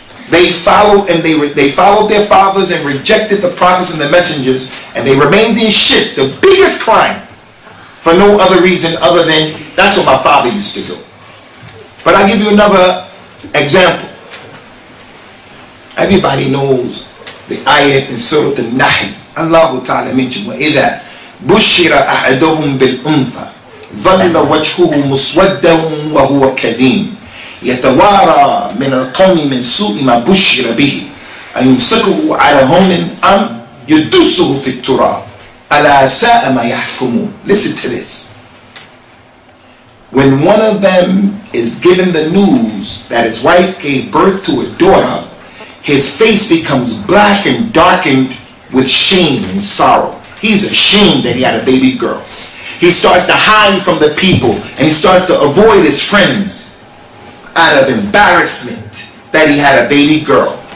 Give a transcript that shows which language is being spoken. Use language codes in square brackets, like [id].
[en] They followed and they followed their fathers and rejected the prophets and the messengers, and they remained in shirk, the biggest crime, for no other reason other than that's what my father used to do. But I'll give you another example. Everybody knows the ayat in Surah An-Nahl. [ar] Allahu Ta'ala mentioned, وَإِذَا بُشِّرَ أَحَدُهُمْ بِالْأُنْثَى ظَلَّ وَجْهُهُ مُسْوَدًّا وَهُوَ كَذِيمٌ يتوارى من القوم من سوء ما بشر به أيمسكه على هم أم يدسه في التراب ألا ساء ما يحكمون. [en] Listen to this. When one of them is given the news that his wife gave birth to a daughter, his face becomes black and darkened with shame and sorrow. He's ashamed that he had a baby girl. He starts to hide from the people and he starts to avoid his friends out of embarrassment that he had a baby girl.